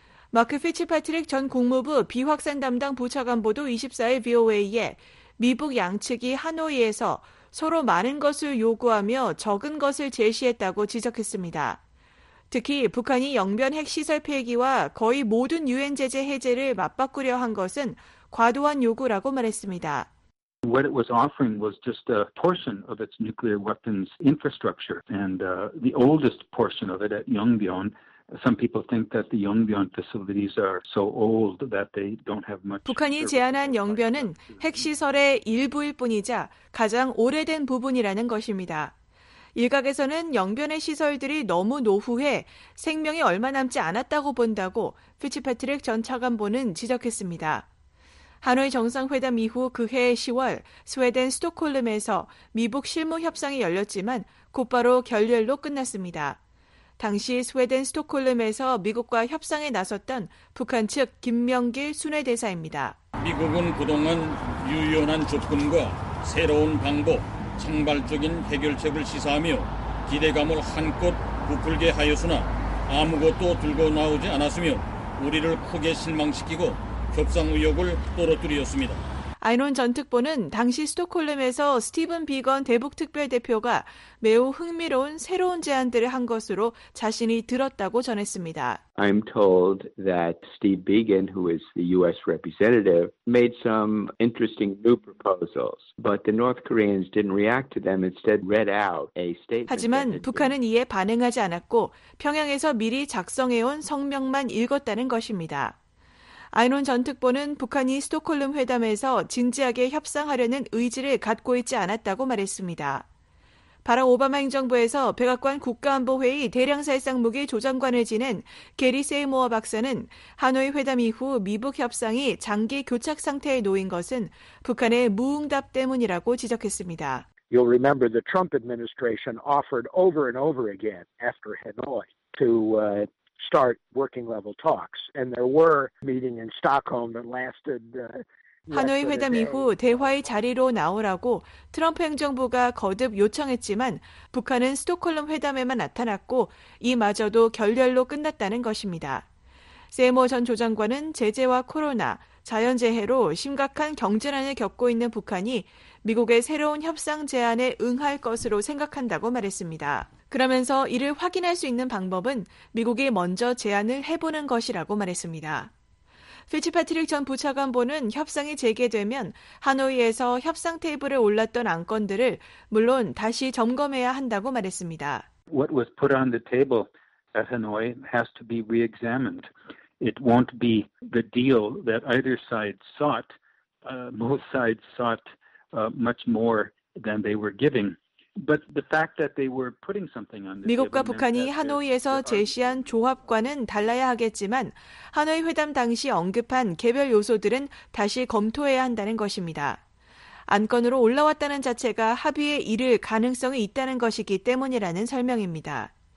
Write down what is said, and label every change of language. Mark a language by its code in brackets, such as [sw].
[ko] 마크 피츠패트릭 전 국무부 비확산 담당 부차관보도 24일 VOA에 미북 양측이 하노이에서 서로 많은 것을 요구하며 적은 것을 제시했다고 지적했습니다. 특히 북한이 영변 핵시설 폐기와 거의 모든 유엔 제재 해제를 맞바꾸려 한 것은 과도한 요구라고 말했습니다. [en] What it was offering was just a portion of its nuclear weapons infrastructure and the oldest portion of it at Yongbyon. Some people think that the Yongbyon facilities are so old that they don't have much. [ko] 북한이 제안한 영변은 핵시설의 일부일 뿐이자 가장 오래된 부분이라는 것입니다. 일각에서는 영변의 시설들이 너무 노후해 생명이 얼마 남지 않았다고 본다고 피츠패트릭 전 차관보는 지적했습니다. 하노이 정상회담 이후 그해 10월 스웨덴 스톡홀름에서 미북 실무협상이 열렸지만 곧바로 결렬로 끝났습니다. 당시 스웨덴 스톡홀름에서 미국과 협상에 나섰던 북한 측 김명길 순회대사입니다. 미국은 그동안 유연한 접근과 새로운 방법, 창발적인 해결책을 시사하며 기대감을 한껏 부풀게 하였으나 아무것도 들고 나오지 않았으며 우리를 크게 실망시키고 협상 의욕을 떨어뜨렸습니다. 아이논 전 특보는 당시 스톡홀름에서 스티븐 비건 대북특별대표가 매우 흥미로운 새로운 제안들을 한 것으로 자신이 들었다고 전했습니다. [en] I'm told that Steve Biegun, who is the U.S. representative, made some interesting new proposals, but the North Koreans didn't react to them. Instead, read out a statement. [ko] 하지만 북한은 이에 반응하지 않았고 평양에서 미리 작성해온 성명만 읽었다는 것입니다. 아이논 전 특보는 북한이 스톡홀름 회담에서 진지하게 협상하려는 의지를 갖고 있지 않았다고 말했습니다. 바락 오바마 행정부에서 백악관 국가안보회의 대량살상무기 조정관을 지낸 게리 세이모어 박사는 하노이 회담 이후 미북 협상이 장기 교착 상태에 놓인 것은 북한의 무응답 때문이라고 지적했습니다. [en] You'll remember the Trump administration offered over and over again after Hanoi to start working level talks and there were meeting in Stockholm that lasted [ko] 하노이 회담 이후 대화의 자리로 나오라고 트럼프 행정부가 거듭 요청했지만 북한은 스톡홀름 회담에만 나타났고 이마저도 결렬로 끝났다는 것입니다. 세모 전 조장관은 제재와 코로나, 자연재해로 심각한 경제난을 겪고 있는 북한이 미국의 새로운 협상 제안에 응할 것으로 생각한다고 말했습니다. 그러면서 이를 확인할 수 있는 방법은 미국이 먼저 제안을 해보는 것이라고 말했습니다. 피츠패트릭 전 부차관보는 협상이 재개되면 하노이에서 협상 테이블에 올랐던 안건들을 물론 다시 점검해야 한다고 말했습니다. [en] What was put on the table at Hanoi has to be re-examined. It won't be the deal that either side sought. Both sides sought much more than they were giving. But the fact that they were putting something on the table. [ko] 미국과 북한이 하노이에서 제시한 조합과는 달라야 하겠지만 하노이 회담 당시 언급한 개별 요소들은 다시 검토해야 한다는 것입니다. 안건으로 올라왔다는 자체가 합의에 이를 가능성이 있다는 것이기 때문이라는 설명입니다.